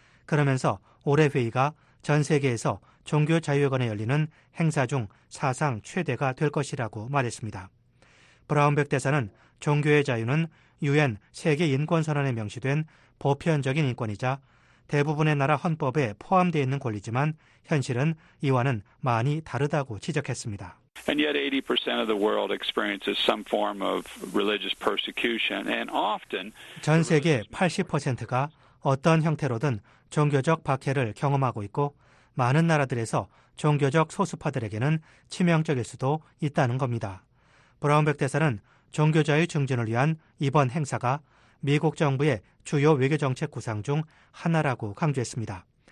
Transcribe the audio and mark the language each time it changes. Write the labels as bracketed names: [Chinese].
[Korean] 그러면서 올해 회의가 전 세계에서 종교 자유에 관해 열리는 행사 중 사상 최대가 될 것이라고 말했습니다. 브라운백 대사는 종교의 자유는 유엔 세계인권선언에 명시된 보편적인 인권이자 대부분의 나라 헌법에 포함되어 있는 권리지만 현실은 이와는 많이 다르다고 지적했습니다. [English] And yet 80% of the world experiences some form of religious persecution and often [Korean] 전 세계 80%가 어떤 형태로든 종교적 박해를 경험하고 있고 많은 나라들에서 종교적 소수파들에게는 치명적일 수도 있다는 겁니다. 브라운백 대사는 종교자유 증진을 위한 이번 행사가 미국 정부의 주요 외교정책 구상 중 하나라고 강조했습니다.